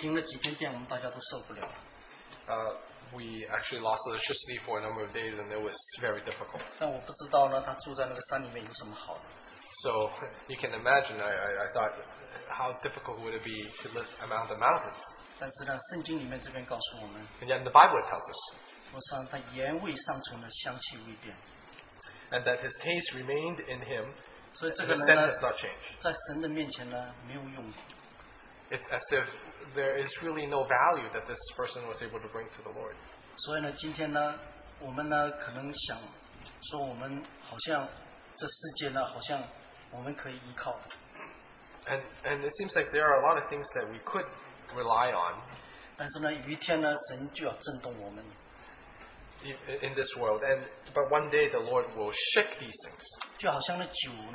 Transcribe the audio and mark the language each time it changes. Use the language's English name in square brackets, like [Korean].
[Chinese] 我们停了几天电,我们大家都受不了。 [English] We actually lost electricity for a number of days and it was very difficult. [Chinese] 但我不知道呢,他住在那个山里面有什么好的。 [English] So you can imagine, I thought, how difficult would it be to live among the mountains? [Chinese] 但是呢,圣经里面这边告诉我们, [English] and yet the Bible tells us, [Chinese] 我说他言味尚存了香气未变, [English] and that his taste remained in him, so the scent has not changed. [Chinese] 在神的面前呢, 没有用, [English] it's as if there is really no value that this person was able to bring to the Lord. [Chinese] 所以呢,今天呢,我们呢,可能想说我们好像, 这世界呢, [English] and it seems like there are a lot of things that we could rely on. [Chinese] 但是呢,有一天呢,神就要震动我们, [English] in this world. And but one day the Lord will shake these things.